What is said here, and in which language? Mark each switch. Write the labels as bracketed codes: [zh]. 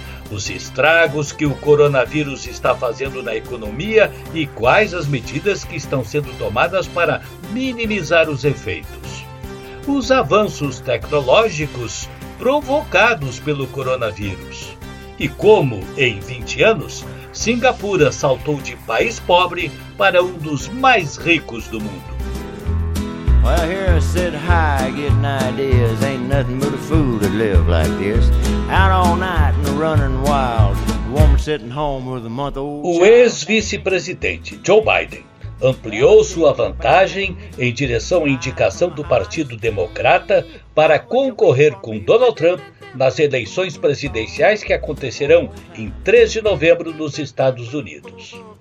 [pt] Os estragos que o coronavírus está fazendo na economia e quais as medidas que estão sendo tomadas para minimizar os efeitos. Os avanços tecnológicos provocados pelo coronavírus. E como, em 20 anos, Singapura saltou de país pobre para um dos mais ricos do mundo. [en] Well, here I sit high, getting ideas. Ain't nothing but a fool to live like this. Out all night and running wild. Woman sitting home with a month old. [pt] O ex-vice-presidente Joe Biden ampliou sua vantagem em direção à indicação do Partido Democrata para concorrer com Donald Trump nas eleições presidenciais que acontecerão em 3 de novembro nos Estados Unidos.